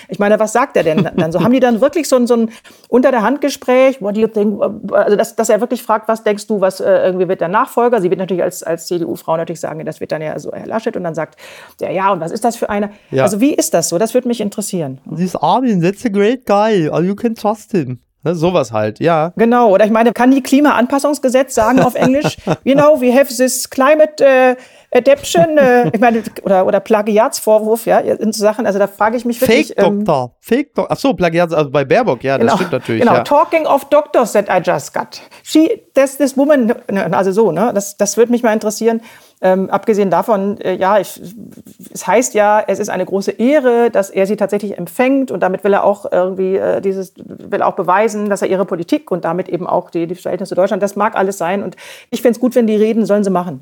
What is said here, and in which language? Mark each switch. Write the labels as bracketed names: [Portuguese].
[German] Ich meine, was sagt er denn dann so? Haben die dann wirklich so ein Unter-der-Hand-Gespräch, what do you think, also dass er wirklich fragt, was denkst du, was irgendwie wird der Nachfolger? Sie wird natürlich als CDU-Frau natürlich sagen, das wird dann ja so Herr Laschet und dann sagt der, ja, und was ist das für eine? Ja. Also wie ist das so? Das würde mich interessieren. [English] Dieses Armin, that's a great guy, you can trust him. [German] Ne, sowas halt, ja. Genau, oder ich meine, kann die Klimaanpassungsgesetz sagen auf Englisch, you know, we have this climate adaption, ich meine, oder Plagiatsvorwurf, ja, in so Sachen, also da frage ich mich wirklich. Fake Doctor, ach so, Plagiat, also bei Baerbock, ja, genau, das stimmt natürlich. Genau, ja. [English] Talking of doctors that I just got. [German] She, this woman, also so, ne, das würde mich mal interessieren. Abgesehen davon, es heißt ja, es ist eine große Ehre, dass er sie tatsächlich empfängt und damit will er auch irgendwie will auch beweisen, dass er ihre Politik und damit eben auch die Verhältnisse zu Deutschland, das mag alles sein und ich finde es gut, wenn die reden, sollen sie machen.